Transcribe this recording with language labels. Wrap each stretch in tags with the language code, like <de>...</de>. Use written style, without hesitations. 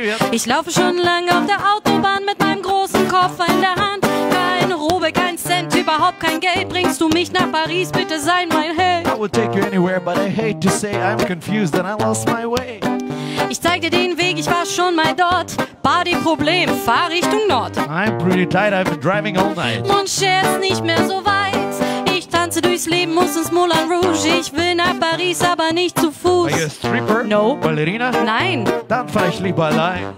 <de>Ich laufe schon lange auf der Autobahn mit meinem großen Koffer in der Hand. Keine Robe, kein Cent, überhaupt kein Geld. Bringst du mich nach Paris, bitte sei mein Held.</de> <en>I would take you anywhere, but I hate to say I'm confused and I lost my way.</en> <de>Ich zeig dir den Weg, ich war schon mal dort. Partyproblem, fahr Richtung Nord.</de> <en>I'm pretty tired, I've been driving all night.</en> <fr>Mon cher</fr> <de>ist nicht mehr so weit. Ich tanze durchs Leben, muss ins Moulin Rouge. Ich will nach Paris, aber nicht zu Fuß.</de> <en>Are you a stripper? No. Ballerina?</en> <de>Nein. Dann fahr ich lieber allein.</de>